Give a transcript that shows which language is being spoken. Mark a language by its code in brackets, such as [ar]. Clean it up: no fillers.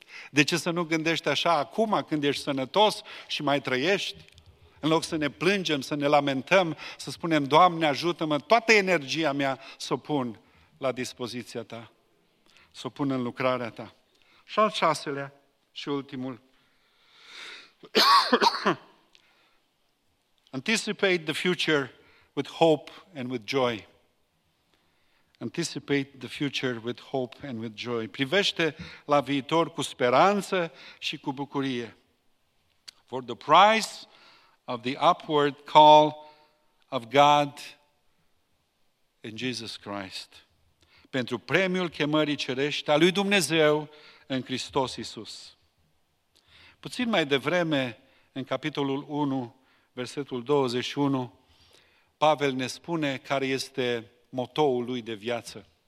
[ro] De ce să nu gândești așa acum când ești sănătos și mai trăiești? În loc să ne plângem, să ne lamentăm, să spunem, Doamne, ajută-mă, toată energia mea să o pun la dispoziția Ta, să o pun în lucrarea Ta. Și al șaselea și ultimul. [en] Anticipate the future with hope and with joy. Anticipate the future with hope and with joy. [ro] Privește la viitor cu speranță și cu bucurie. [en] For the price of the upward call of God in Jesus Christ. [ro] Pentru premiul chemării cerești a lui Dumnezeu în Hristos Iisus. Puțin mai devreme, în capitolul 1, versetul 21, Pavel ne spune care este motoul lui de viață.